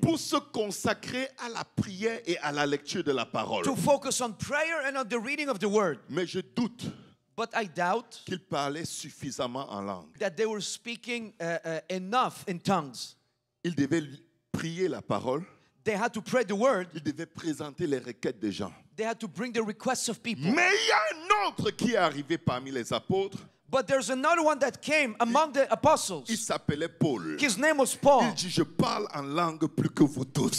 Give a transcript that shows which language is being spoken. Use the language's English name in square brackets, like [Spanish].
[French] Pour se consacrer à la prière et à la lecture de la parole. [English] To focus on prayer and on the reading of the word. [French] Mais je doute. [English] But I doubt. [French] Qu'ils parlaient suffisamment en langue. [English] That they were speaking enough in tongues. [French] Ils devaient prier la parole. [English] They had to pray the word. [French] Ils devaient présenter les requêtes des gens. [English] They had to bring the requests of people. [French] Mais il y a un autre qui est arrivé parmi les apôtres. [English] But there's another one that came among the apostles. [French] Il s'appelait Paul. [English] His name was Paul. [French] Il dit, je parle en langue plus que vous tous.